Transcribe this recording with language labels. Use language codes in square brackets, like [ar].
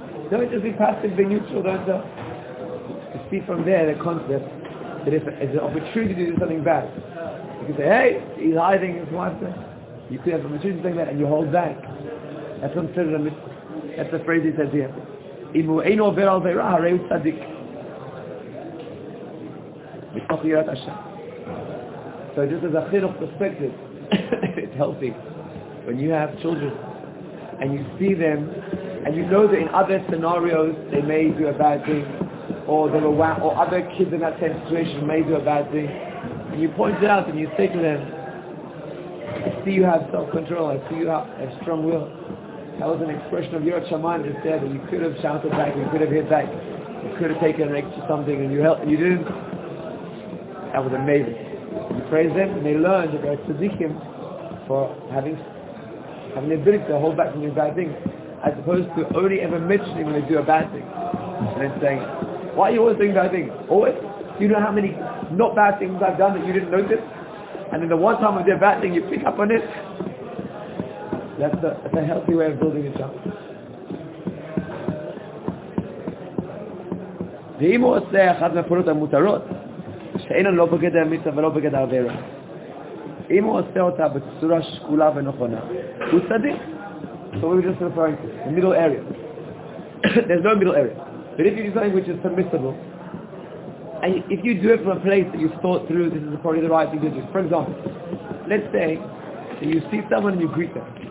[en] Don't just be passive, be neutral, don't tell. You see from there the concept that if it's an opportunity to do something bad, you can say, hey, he's hiding his wife. You could have an opportunity to do that and you hold back. That's considered a mitzvah. That's the phrase he says here. [he] אם הוא אינו עובר על עבירה, הרי הוא צדיק. מתוך יראת השם. [en] So just as a chinuch perspective, it's healthy. When you have children, and you see them, and you know that in other scenarios, they may do a bad thing, or other kids in that same situation may do a bad thing, and you point it out, and you say to them, I see you have self-control, I see you have a strong will. That was an expression of Yirat Shamayim that said that you could have shouted back, you could have hit back, you could have taken an extra something and you helped, and you didn't. That was amazing. You praise them and they learned that they're tzaddikim for having the ability to hold back from doing bad things, as opposed to only ever mentioning when they do a bad thing. And then saying, why are you always doing bad things? Always? Do you know how many not bad things I've done that you didn't notice? And then the one time I did a bad thing, you pick up on it. That's a healthy way of building a child. [he] ואם הוא עושה אחת מהפעולות המותרות, שאינן לא בגדר מצווה ולא בגדר עבירה, אם הוא עושה אותה בצורה שקולה ונכונה, הוא צדיק. [en] So we were just referring to the middle area. There's no middle area. But if you do something which is permissible, and if you do it from a place that you've thought through, this is probably the right thing to do. For example, let's say that you see someone and you greet them.